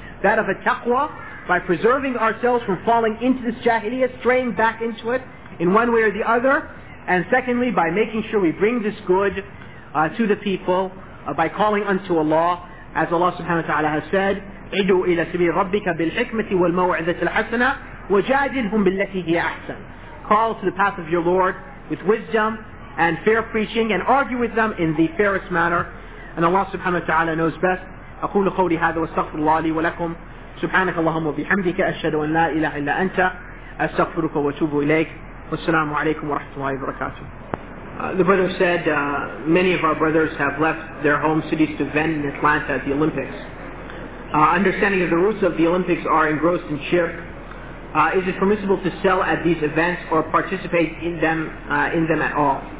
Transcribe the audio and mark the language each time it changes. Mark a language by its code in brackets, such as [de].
[en] that of a taqwa, by preserving ourselves from falling into this Jahiliyyah, straying back into it in one way or the other, and secondly, by making sure we bring this good to the people by calling unto Allah, as Allah subhanahu wa ta'ala has said, [ar] إِدُوا إِلَى سَبِيلِ رَبِّكَ بِالْحِكْمَةِ وَالْمَوْعِذَةِ الْحَسَنَةِ وَجَادِلْهُمْ بِالَّتِي هِيَ أَحْسَنَ. [en] Call to the path of your Lord with wisdom and fair preaching, and argue with them in the fairest manner. And Allah subhanahu wa ta'ala knows best. [ar] أقول قولي هذا واستغفر الله لي ولكم. سبحانك اللهم وبحمدك أشهد أن لا إله إلا أنت أستغفرك وأتوب إليك. والسلام عليكم ورحمة الله وبركاته. [en] The brother said, many of our brothers have left their home cities to vent in Atlanta at the Olympics. Understanding that the roots of the Olympics are engrossed in shirk, is it permissible to sell at these events or participate in them at all?